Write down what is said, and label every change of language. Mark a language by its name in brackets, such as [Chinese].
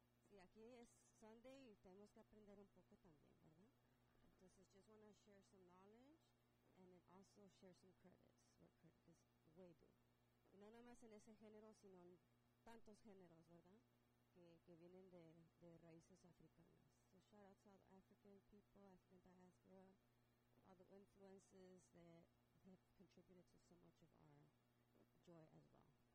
[Spanish] Sí, aquí es Sunday y tenemos que aprender un poco también, ¿verdad? Entonces, [English] just want to share some knowledge and then also share some credits, where credit is way due. [Spanish] Y no nada más en ese género, sino en tantos géneros, ¿verdad? Que vienen de raíces africanas. [English] So shout out to all the African people, African diaspora, all the influences that have contributed to so much of our joy as well.